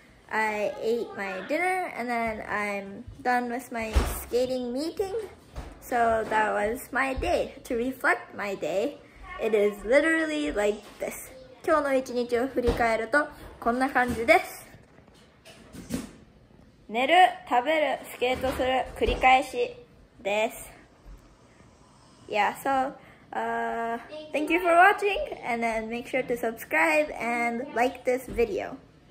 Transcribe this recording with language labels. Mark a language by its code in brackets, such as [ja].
[en] I ate my dinner and then I'm done with my skating meeting. So that was my day. To reflect my day, it is literally like this. [ja] 今日の一日を振り返るとこんな感じです。寝る、食べる、スケートする、繰り返しです。 [en] Yeah, so thank you for watching and then make sure to subscribe and like this video.